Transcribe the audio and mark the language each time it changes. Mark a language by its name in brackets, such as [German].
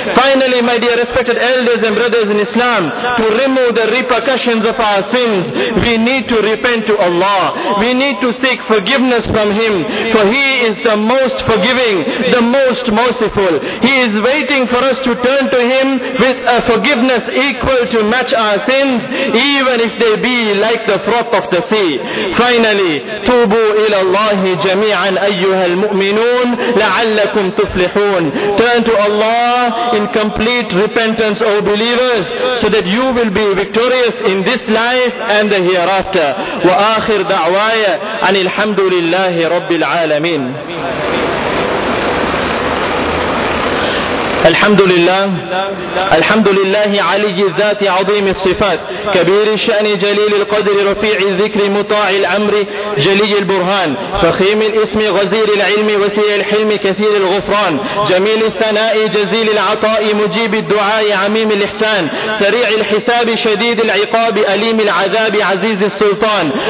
[English] Finally, my dear respected elders and brothers in Islam, to remove the repercussions of our sins, we need to repent to Allah. We need to seek forgiveness from Him, for He is the most forgiving, the most merciful. He is waiting for us to turn to Him with a forgiveness equal to match our sins, even if they be like the froth of the sea. Finally, [Arabic] توبوا إلى الله جميعا أيها المؤمنون لعلكم تفلحون. [English] Turn to Allah in complete repentance, O believers, so that you will be victorious in this life and the hereafter. [Arabic] وآخر دعوايا أن الحمد لله رب العالمين. الحمد لله الحمد لله علي الذات عظيم الصفات كبير الشأن جليل القدر رفيع الذكر مطاع الأمر جلي البرهان فخيم الاسم غزير العلم وسيع الحلم كثير الغفران جميل الثناء جزيل العطاء مجيب الدعاء عميم الإحسان سريع الحساب شديد العقاب أليم العذاب عزيز السلطان.